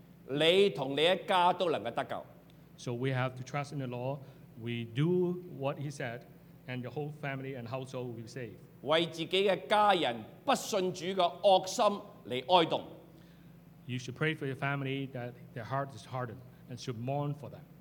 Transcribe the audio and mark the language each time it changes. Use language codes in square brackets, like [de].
[yue] 你同你一家都能够得救。 [en] So we have to trust in the law. We do what he said, and the whole family and household will be saved. [yue] 为自己嘅家人不信主嘅恶心嚟哀恸。 [en] You should pray for your family that their heart is hardened and should mourn for them.